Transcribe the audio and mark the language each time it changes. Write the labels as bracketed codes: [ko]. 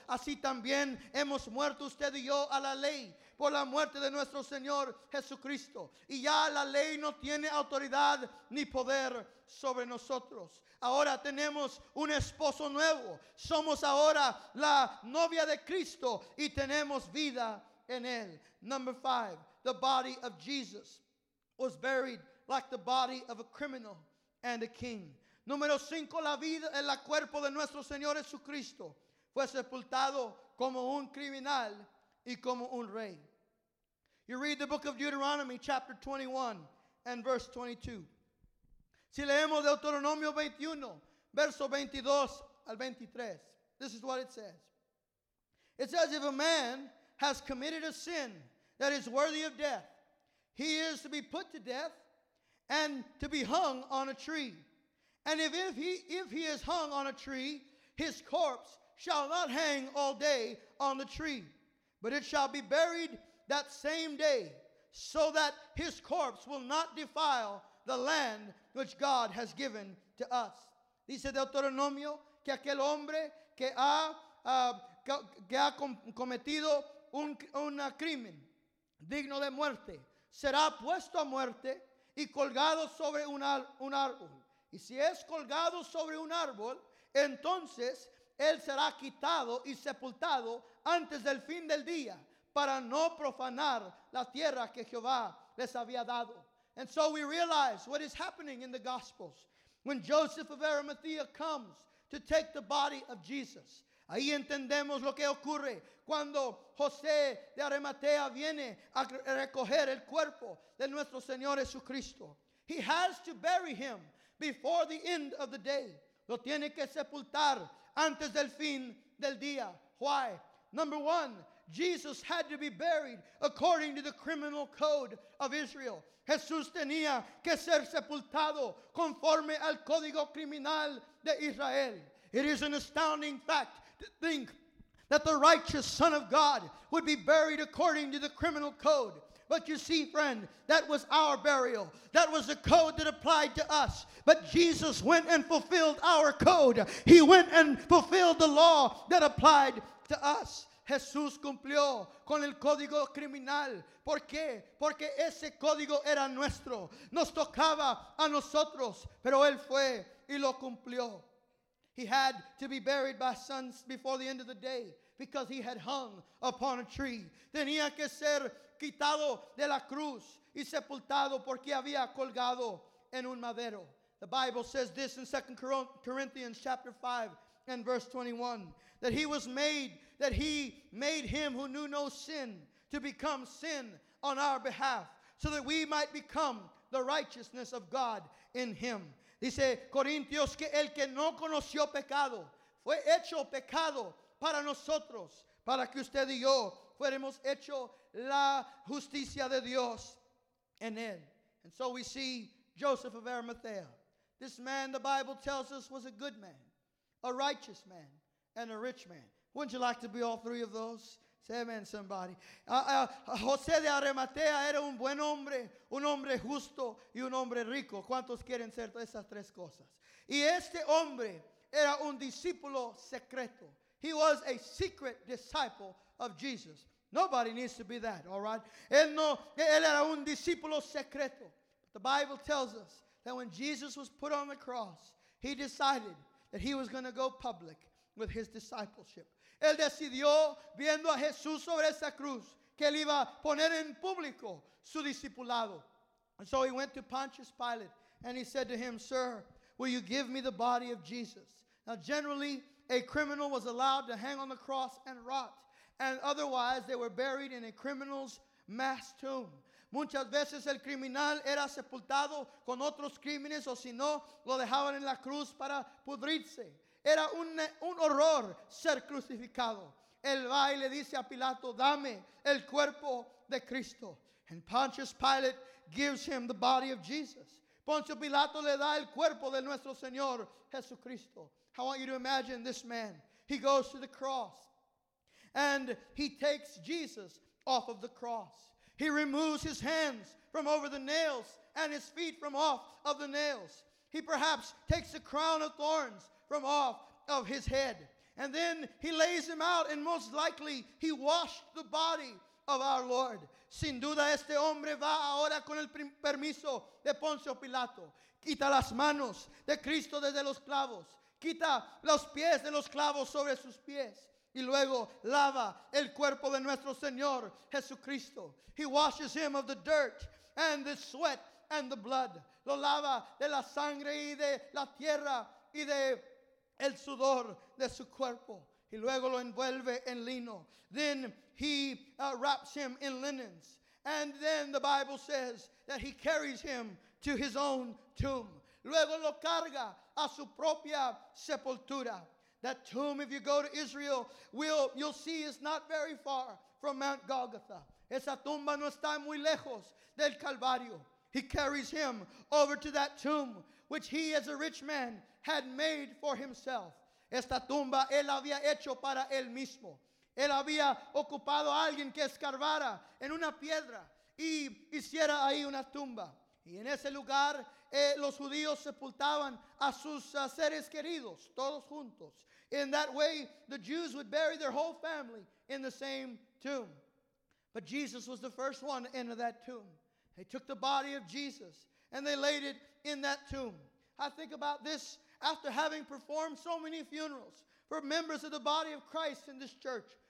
[es] Así también hemos muerto usted y yo a la ley por la muerte de nuestro Señor Jesucristo. Y ya la ley no tiene autoridad ni poder sobre nosotros. Ahora tenemos un esposo nuevo. Somos ahora la novia de Cristo y tenemos vida en él. [en] Number 5, the body of Jesus was buried like the body of a criminal and a king. [es] Número 5, la vida, el cuerpo de nuestro Señor Jesucristo fue sepultado como un criminal y como un rey. [en] You read the book of Deuteronomy, chapter 21 and verse 22. [es] Si leemos Deuteronomio 21, verso 22 al 23, [en] this is what it says. It says, if a man has committed a sin that is worthy of death, he is to be put to death and to be hung on a tree. And if he is hung on a tree, his corpse shall not hang all day on the tree, but it shall be buried that same day, so that his corpse will not defile the land which God has given to us. [es] Dice Deuteronomio que aquel hombre que ha cometido un crimen digno de muerte será puesto a muerte y colgado sobre un árbol. Y si es colgado sobre un árbol, entonces él será quitado y sepultado antes del fin del día para no profanar la tierra que Jehová les había dado. [en] And so we realize what is happening in the Gospels. When Joseph of Arimathea comes to take the body of Jesus, [es] ahí entendemos lo que ocurre cuando José de Arimatea viene a recoger el cuerpo de nuestro Señor Jesucristo. [en] He has to bury him before the end of the day. [es] Lo tiene que sepultar antes del fin del día. [en] Why? Number 1, Jesus had to be buried according to the criminal code of Israel. [es] Jesús tenía que ser sepultado conforme al código criminal de Israel. [en] It is an astounding fact to think that the righteous Son of God would be buried according to the criminal code. But you see, friend, that was our burial. That was the code that applied to us. But Jesus went and fulfilled our code. He went and fulfilled the law that applied to us. [es] Jesús cumplió con el código criminal. ¿Por qué? Porque ese código era nuestro. Nos tocaba a nosotros, pero Él fue y lo cumplió. [en] He had to be buried by sons before the end of the day because he had hung upon a tree. [es] Tenía que ser quitado de la cruz y sepultado porque había colgado en un madero. [en] The Bible says this in 2 Corinthians chapter 5 and verse 21. That he made him who knew no sin to become sin on our behalf, so that we might become the righteousness of God in him. [es] Dice Corintios que el que no conoció pecado fue hecho pecado para nosotros, para que usted y yo fuéramos hecho la justicia de Dios en él. [en] And so we see Joseph of Arimathea. This man, the Bible tells us, was a good man, a righteous man, and a rich man. Wouldn't you like to be all three of those? Say amen, somebody. [es] José de Arimatea era un buen hombre, un hombre justo y un hombre rico. ¿Cuántos quieren ser esas tres cosas? Y este hombre era un discípulo secreto. [en] He was a secret disciple of Jesus. Nobody needs to be that, all right? [es] Él era un discípulo secreto. [en] But the Bible tells us that when Jesus was put on the cross, he decided that he was going to go public with his discipleship. [es] Él decidió, viendo a Jesús sobre esa cruz, que él iba a poner en público su discipulado. [en] And so he went to Pontius Pilate, and he said to him, "Sir, will you give me the body of Jesus?" Now generally, a criminal was allowed to hang on the cross and rot, and otherwise they were buried in a criminal's mass tomb. [es] Muchas veces el criminal era sepultado con otros crímenes, o si no, lo dejaban en la cruz para pudrirse. Era un horror ser crucificado. Él va y le dice a Pilato, dame el cuerpo de Cristo. [en] And Pontius Pilate gives him the body of Jesus. [es] Poncio Pilato le da el cuerpo de nuestro Señor Jesucristo. [en] I want you to imagine this man. He goes to the cross. And he takes Jesus off of the cross. He removes his hands from over the nails and his feet from off of the nails. He perhaps takes the crown of thorns from off of his head. And then he lays him out, and most likely he washed the body of our Lord. [es] Sin duda este hombre va ahora con el permiso de Poncio Pilato. Quita las manos de Cristo desde los clavos. Quita los pies de los clavos sobre sus pies. Y luego lava el cuerpo de nuestro Señor Jesucristo. [en] He washes him of the dirt and the sweat and the blood. [es] Lo lava de la sangre y de la tierra y de el sudor de su cuerpo. Y luego lo envuelve en lino. [en] Then he wraps him in linens. And then the Bible says that he carries him to his own tomb. [es] Luego lo carga a su propia sepultura. [en] That tomb, if you go to Israel, you'll see is not very far from Mount Golgotha. [es] Esa tumba no está muy lejos del Calvario. [en] He carries him over to that tomb, which he as a rich man had made for himself. [es] Esta tumba él había hecho para él mismo. Él había ocupado a alguien que escarbara en una piedra y hiciera ahí una tumba. Y en ese lugar los judíos sepultaban a sus seres queridos, todos juntos. [en] In that way, the Jews would bury their whole family in the same tomb. But Jesus was the first one to enter that tomb. They took the body of Jesus and they laid it in that tomb. I think about this after having performed so many funerals for members of the body of Christ in this church.